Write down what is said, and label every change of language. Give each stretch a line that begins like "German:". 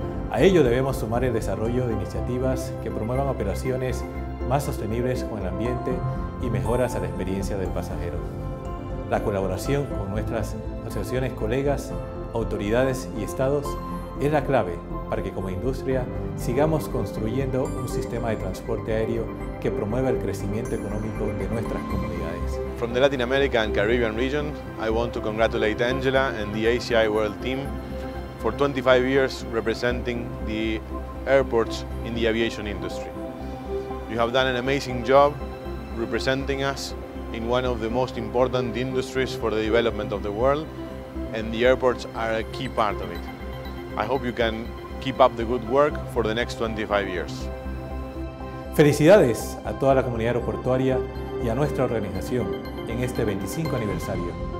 Spanish: A ello debemos sumar el desarrollo de iniciativas que promuevan operaciones más sostenibles con el ambiente y mejoras a la experiencia del pasajero. La colaboración con nuestras asociaciones, colegas, autoridades y estados es la clave para que como industria sigamos construyendo un sistema de transporte aéreo que promueva el crecimiento económico de nuestras comunidades.
English: From the Latin America and Caribbean region, I want to congratulate Angela and the ACI World Team for 25 years representing the airports in the aviation industry. You have done an amazing job representing us in one of the most important industries for the development of the world, and the airports are a key part of it. I hope you can keep up the good work for the next 25 years.
Spanish: Felicidades a toda la comunidad aeroportuaria y a nuestra organización en este 25 aniversario.